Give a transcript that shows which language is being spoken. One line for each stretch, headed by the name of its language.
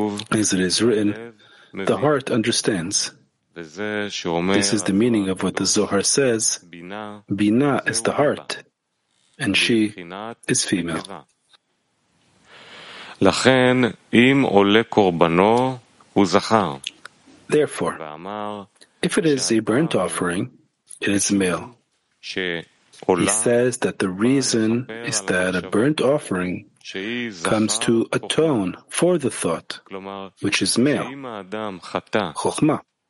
English: As it is written, the heart understands. This is the meaning of what the Zohar says, Bina is the heart, and she is female.
Hebrew: לכן אם עולה קורבנו הוא זכר.
English: Therefore, if it is a burnt offering, it is male. He says that the reason is that a burnt offering comes to atone for the thought, which is male. Chokhmah.